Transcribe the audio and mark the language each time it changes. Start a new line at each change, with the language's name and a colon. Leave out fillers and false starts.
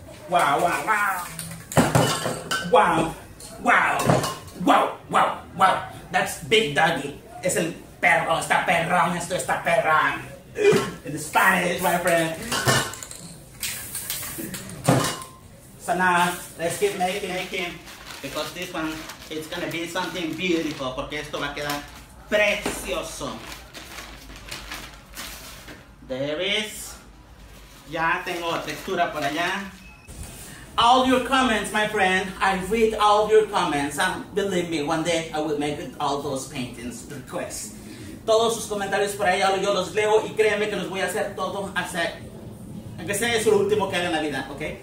English: Wow, wow, wow! Wow, wow, wow, wow, wow, that's big doggy.
Spanish: Es el perro, está perrón, esto está perrón.
English: In Spanish, my friend. So now, let's keep making, because this one, it's gonna be something beautiful,
Spanish: porque esto va a quedar precioso.
English: There is,
Spanish: ya tengo textura por allá.
English: All your comments, my friend. I read all your comments. And believe me, one day I will make all those paintings requests.
Spanish: Todos sus comentarios por allá, yo los leo y créeme que los voy a hacer todo hacer. Aunque sea eso lo último que haga en la vida, ¿ok?